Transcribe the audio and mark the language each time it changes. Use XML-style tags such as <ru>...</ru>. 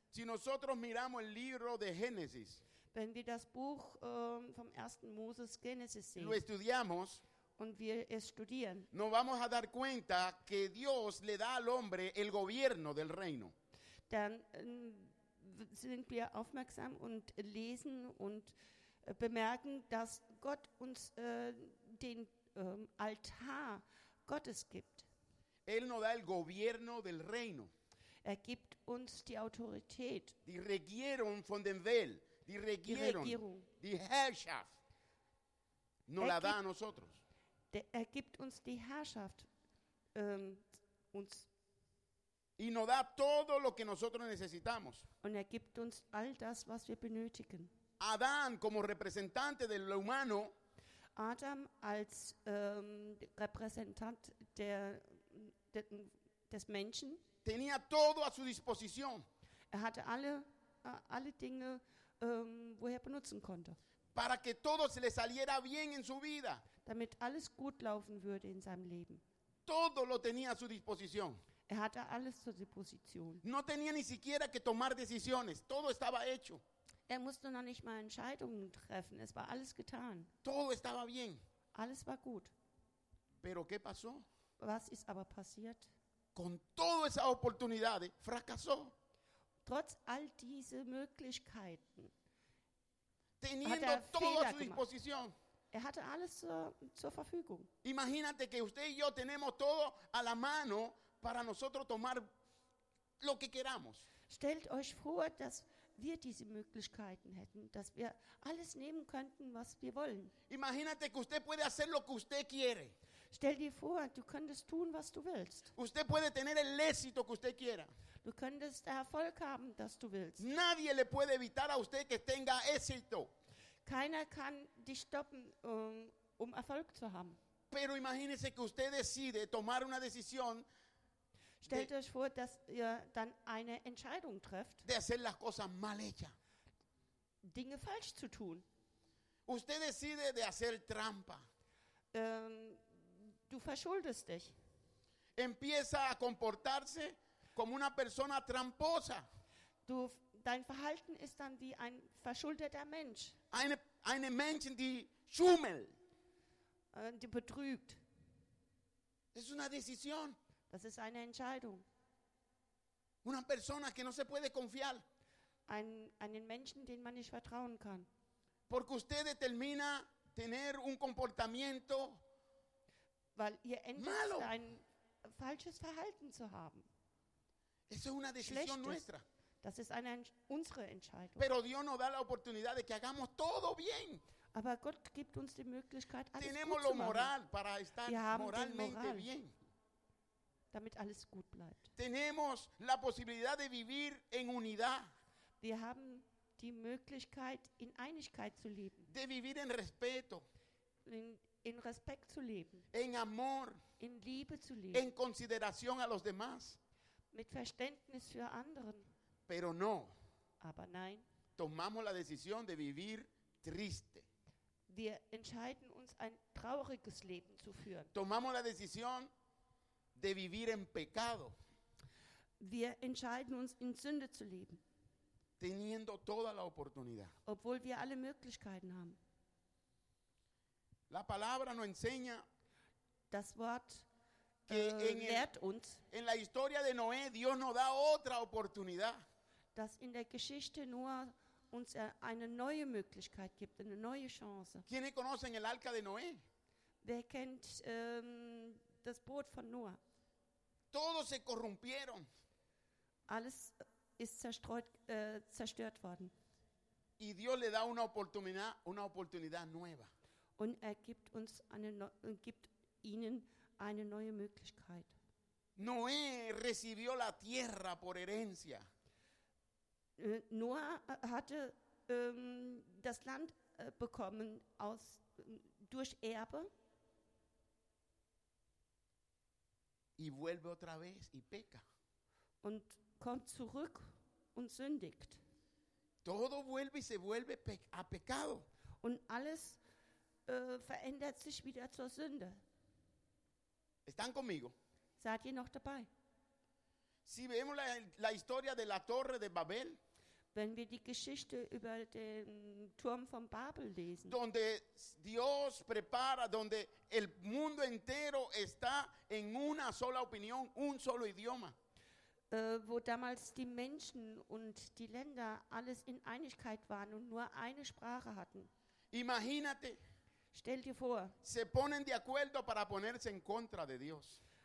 <es>Si nosotros miramos el libro de Génesis,</es> <de>wenn wir das Buch vom ersten Moses Genesis sehen,</de> <es>lo estudiamos,</es> <de>und wir es studieren,</de> <es>nos vamos a dar cuenta que Dios le da al hombre el gobierno del reino.</es> <de>Dann sind wir aufmerksam und lesen und bemerken, dass Gott uns den Altar Gottes gibt.</de> <es>Él nos da el gobierno del reino.</es> <de>Er gibt uns die Autorität. Die Regierung von dem Welt. Die Regierung. Die Regierung. Die Herrschaft.</de> <es>Nos la da a nosotros.</es> <de>Er gibt uns die Herrschaft. Uns.</de> <es>Y nos da todo lo que nosotros necesitamos.</es> <de>Und er gibt uns all das, was wir benötigen.</de> <es>Adán como representante del humano.</es> <de>Adam als Repräsentant des Menschen.</de> <es>Tenía todo a su disposición.</es> <de>Er hatte alle Dinge, wo er benutzen konnte.</de> <es>Para que todo se le saliera bien en su vida.</es> <de>Damit alles gut laufen würde in seinem Leben.</de> <es>Todo lo tenía a su disposición.</es> <de>Er hatte alles zur Disposition.</de> <es>No tenía ni siquiera que tomar decisiones. Todo estaba hecho.</es> <de>Er musste noch nicht mal Entscheidungen treffen. Es war alles getan.</de> <es>Todo estaba bien.</es> <de>Alles war gut.</de> <es>Pero qué pasó?</es> <de>Was ist aber passiert?</de> <es>Con todas esas oportunidades, fracasó.</es> <de>Trotz all diese Möglichkeiten.</de> <es>Teniendo</es> <de>hat er</de> <es>todo Fehler a su disposición.</es> <de>Er hatte alles zur Verfügung.</de> <es>Imagínate que usted y yo tenemos todo a la mano para nosotros tomar lo que queramos.</es> <de>Stellt euch vor, dass wir diese Möglichkeiten hätten, dass wir alles nehmen könnten, was wir wollen.</de> <es>Imagínate que usted puede hacer lo que usted quiere.</es> <de>Stell dir vor, du könntest tun, was du willst.</de> <es>Usted puede tener el éxito que usted quiera.</es> <de>Du könntest Erfolg haben, das du willst.</de> <es>Nadie le puede evitar a usted que tenga éxito.</es> <de>Keiner kann dich stoppen, um Erfolg zu haben.</de> <es>Pero imagínese que usted decide tomar una decisión.</es> <de>Stellt euch vor, dass ihr dann eine Entscheidung trefft.</de> <es>De hacer las cosas mal hechas.</es> <de>Dinge falsch zu tun.</de> <es>Usted decide de hacer trampa.</es> <de>Du verschuldest dich.</de> <es>Empieza a comportarse como una persona tramposa.</es> <de>Dein Verhalten ist dann wie ein verschuldeter Mensch. Eine Menschen, die schummelt. Die betrügt. Es ist eine Decision. Das ist eine Entscheidung.</de> <es>Una persona que no se puede confiar.</es> <de>Einen Menschen, den man nicht vertrauen kann.</de> <es>Porque usted determina tener un comportamiento malo.</es> <de>Weil ihr endet, ein falsches Verhalten zu haben.</de> <es>Eso es una decisión nuestra.</es> <de>Das ist eine unsere Entscheidung.</de> <es>Pero Dios nos da la oportunidad de que hagamos todo bien.</es> <de>Aber Gott gibt uns die Möglichkeit, alles</de> <es>tenemos</es> <de>gut zu machen.</de> <es>Tenemos lo moral para estar moralmente moral. Bien.</es> <de>Damit alles gut bleibt.</de> <es>Tenemos la posibilidad de vivir en unidad.</es> <de>Wir haben die Möglichkeit, in Einigkeit zu leben.</de> <es>De vivir en respeto.</es> <de>In Respekt zu leben.</de> <es>En amor.</es> <de>In Liebe zu leben.</de> <es>En consideración a los demás.</es> <de>Mit Verständnis für anderen.</de> <es>Pero no.</es> <de>Aber nein.</de> <es>Tomamos la decisión de vivir triste.</es> <de>Wir entscheiden uns, ein trauriges Leben zu führen.</de> <es>Tomamos la decisión de vivir en pecado.</es> <de>Wir entscheiden uns, in Sünde zu leben.</de> <es>Teniendo toda la oportunidad.</es> <de>Obwohl wir alle Möglichkeiten haben.</de> <es>La palabra nos enseña.</es> <de>Das Wort lehrt uns.</de> <es>En la historia de Noé, Dios nos da otra oportunidad.</es> <de>Dass in der Geschichte Noah uns eine neue Möglichkeit gibt, eine neue Chance.</de> <es>¿Quiénes conocen el arca de Noé?</es> <de>Wer kennt das Boot von Noah?</de> <es>Todos se corrompieron.</es> <de>Alles ist zerstört worden.</de> <es>Y Dios le da una oportunidad nueva.</es> <de>Und er gibt uns gibt ihnen eine neue Möglichkeit.</de> <es>Noé recibió la tierra por herencia.</es> <de>Noah hatte das Land bekommen durch Erbe.</de> <es>Y vuelve otra vez y peca.</es> <de>Und kommt zurück und sündigt.</de> <es>Todo vuelve y se vuelve a pecado.</es> <de>Und alles verändert sich wieder zur Sünde.</de> <es>¿Están conmigo?</es> <de>Seid ihr noch dabei?</de> <es>Si vemos la historia de la Torre de Babel,</es> <de>wenn wir die Geschichte über den Turm von Babel lesen,</de> <es>donde Dios prepara, donde el mundo entero está en una sola opinión, un solo idioma,</es> <de>wo damals die Menschen und die Länder alles in Einigkeit waren und nur eine Sprache hatten.</de> <es>Imagínate.</es> <de>Stell dir vor.</de> <es>Se ponen de acuerdo para ponerse en contra de Dios.</es>